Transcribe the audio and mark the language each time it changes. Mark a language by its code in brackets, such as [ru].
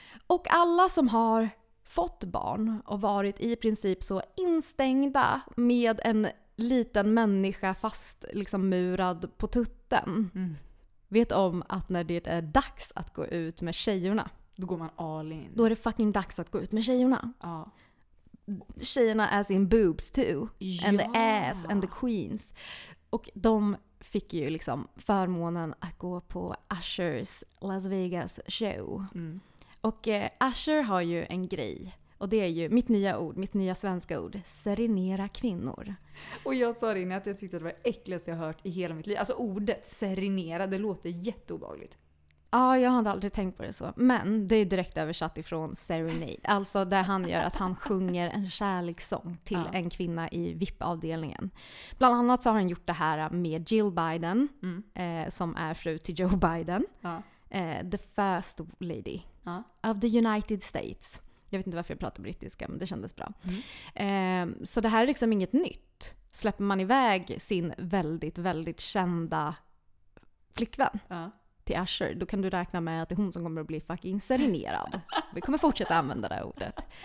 [sv] Och alla som har fått barn och varit i princip så instängda med en liten människa fast liksom murad på tutten. Mm. Vet om att när det är dags att gå ut med tjejerna. Då går man all in. Då är det fucking dags att gå ut med tjejerna. Ja. [en] Tjejerna as in boobs too, [sv] ja. [en] And the ass and the queens. [sv] Och de fick ju liksom förmånen att gå på Ushers Las Vegas show. Mm. Och Usher har ju en grej, och det är ju mitt nya ord, mitt nya svenska ord, serenera kvinnor. Och jag sa det innan att jag tyckte att det var äckligaste jag hört i hela mitt liv. Alltså ordet serenera, det låter jätteobagligt. Ja, jag hade aldrig tänkt på det så. Men det är direkt översatt ifrån serenade. Alltså där han gör att han sjunger en kärlekssång till en kvinna i VIP-avdelningen. Bland annat så har han gjort det här med Jill Biden, som är fru till Joe Biden. [en] The first lady of the United States. [sv] Jag vet inte varför jag pratar brittiska, men det kändes bra. Mm. Så det här är liksom inget nytt. Släpper man iväg sin väldigt, väldigt kända flickvän. Till Usher, då kan du räkna med att det är hon som kommer att bli fucking serenerad. Vi kommer fortsätta använda det ordet.